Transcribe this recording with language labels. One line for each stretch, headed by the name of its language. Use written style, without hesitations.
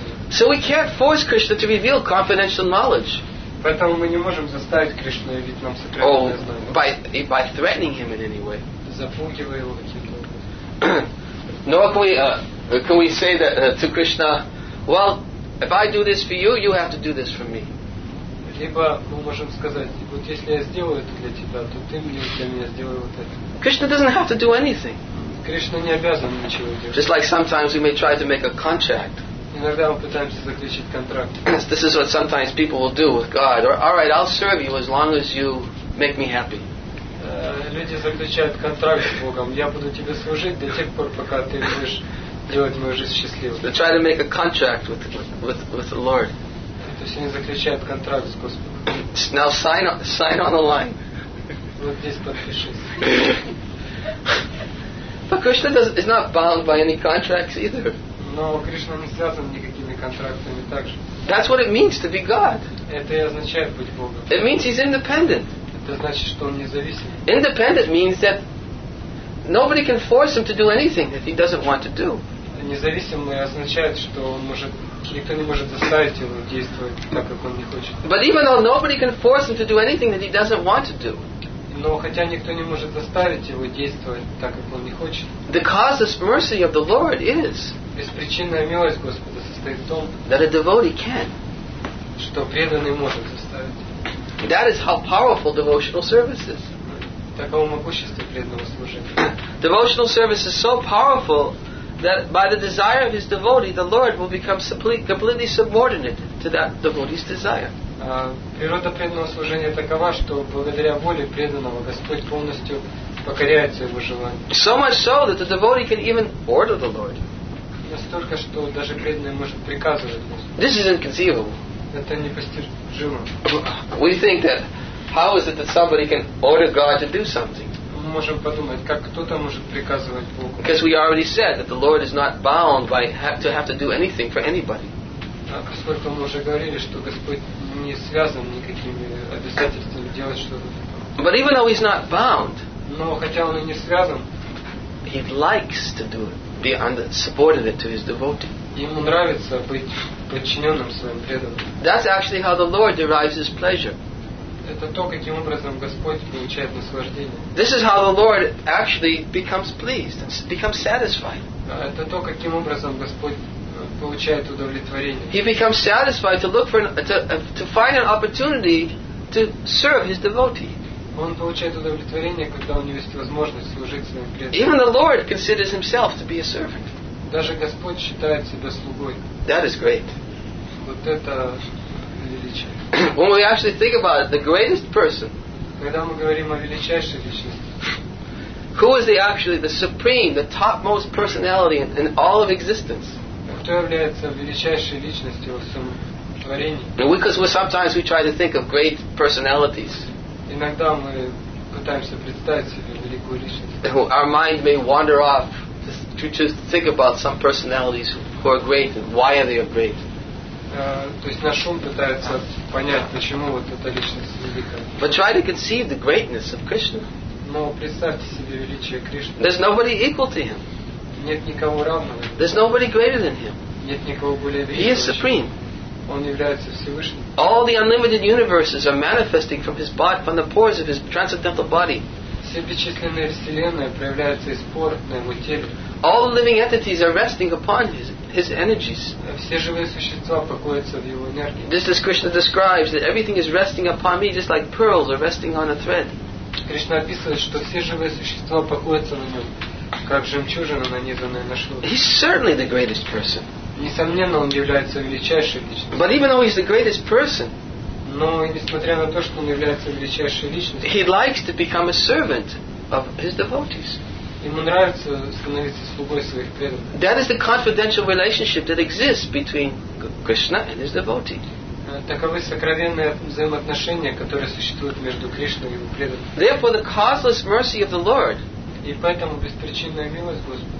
English: So we can't force Krishna to reveal confidential knowledge.
Russian: Поэтому мы не можем заставить Кришну явить нам сокровенное знание.
English: Oh, by threatening him in any way.
Russian: Запугивая его каким-то образом.
English: Nor can we say that to Krishna, well, if I do this for you, you have to do this for me.
Russian: Либо мы можем сказать, вот если я сделаю это для тебя, то ты мне для меня сделай вот это.
English: Krishna doesn't have to do anything.
Russian: Кришна не обязан ничего делать.
English: Just like sometimes we may try to make a contract.
Russian: Иногда мы пытаемся заключить контракт.
English: This is what sometimes people will do with God. Or, all right, I'll serve you as long as you make me happy.
Russian: Люди заключают контракт с Богом. Я буду тебе служить до тех пор, пока ты будешь делать мою жизнь счастливой.
English: They try to make a contract with the Lord.
Russian: То есть они заключают контракт с Господом.
English: Now sign on the line.
Russian: Вот здесь подпишись.
English: But Krishna is not bound by any contracts either.
Russian: Но Кришна не связан никакими контрактами также.
English: That's what it means to be God.
Russian: Это и означает быть Богом.
English: It means he's independent.
Russian: Это значит, что он независим.
English: Independent means that nobody can force him to do anything that he doesn't want to do.
Russian: Независимый означает, что он может, никто не может заставить его действовать так, как он не хочет.
English: But even though nobody can force him to do anything that he doesn't want to do.
Russian: Но хотя никто не может заставить его действовать так, как он не хочет.
English: The causeless mercy of the Lord is.
Russian: Беспричинная милость Господа состоит в том,
English: that a devotee can.
Russian: Что преданный может заставить.
English: That is how powerful devotional service is.
Russian: Таково могущество преданного служения.
English: Devotional service is so powerful that by the desire of his devotee, the Lord will become completely subordinate to that devotee's desire.
Russian: Природа преданного служения такова, что благодаря воле преданного Господь полностью покоряется его желанию.
English: So much so that the devotee can even order the Lord.
Russian: Настолько, что даже преданный может приказывать Господу.
English: This is inconceivable.
Russian: Это непостижимо.
English: We think that how is it that somebody can order God to do something?
Russian: Мы можем подумать, как кто-то может приказывать Богу.
English: Because we already said that the Lord is not bound by to have to do anything for anybody.
Russian: Поскольку мы уже говорили, что Господь не связан никакими обязательствами делать что-то.
English: But even though he's not bound,
Russian: но хотя он и не связан,
English: he likes to do it, be under, subordinate to his devotee.
Russian: Ему нравится быть подчиненным своим преданным.
English: That's actually how the Lord derives his pleasure.
Russian: Это то, каким образом Господь получает наслаждение.
English: This is how the Lord actually becomes pleased, becomes satisfied.
Russian: Это то, каким образом Господь получает удовлетворение.
English: He becomes satisfied to look for to find an opportunity to serve his devotee.
Russian: Он получает удовлетворение, когда у него есть возможность служить своим преданным.
English: Even the Lord considers himself to be a servant.
Russian: Даже Господь считает себя слугой.
English: That is great.
Russian: Вот это величие.
English: When we actually think about it, the greatest person.
Russian: Когда мы говорим о величайшей личности.
English: Who is the actually the supreme, the topmost personality in all of existence?
Russian: Кто является величайшей личностью во всем творении?
English: Because we sometimes we try to think of great personalities.
Russian: Иногда мы пытаемся представить себе великую личность.
English: Our mind may wander off to think about some personalities who are great and why are they great.
Russian: То есть наш ум пытается понять, почему вот эта личность великая.
English: But try to conceive the greatness of Krishna.
Russian: Но представьте себе величие Кришны.
English: There's nobody equal to him.
Russian: Нет никого равного.
English: There's nobody greater than him.
Russian: Нет никого более великого.
English: He is supreme.
Russian: Он является всевышним.
English: All the unlimited universes are manifesting from his body, from the pores of his transcendental body.
Russian: Все бесчисленные вселенные проявляются из пор на его теле.
English: All the living entities are resting upon his energies.
Russian: Все живые существа покоятся в его энергии.
English: This is Krishna describes that everything is resting upon me just like pearls are resting on a thread.
Russian: Кришна описывает, что все живые существа покоятся на нем, как жемчужина, нанизанная на шнур.
English: He's certainly the greatest person.
Russian: Несомненно, он является величайшей личностью.
English: But even though he's the greatest person,
Russian: но несмотря на то, что он является величайшей личностью,
English: he likes to become a servant of his devotees.
Russian: Ему нравится становиться слугой своих преданных.
English: That is the confidential relationship that exists between Krishna and his devotee.
Russian: Таковы сокровенные взаимоотношения, которые существуют между Кришной и его преданными.
English: Therefore, the causeless mercy of the Lord.
Russian: И поэтому беспричинная милость Господа.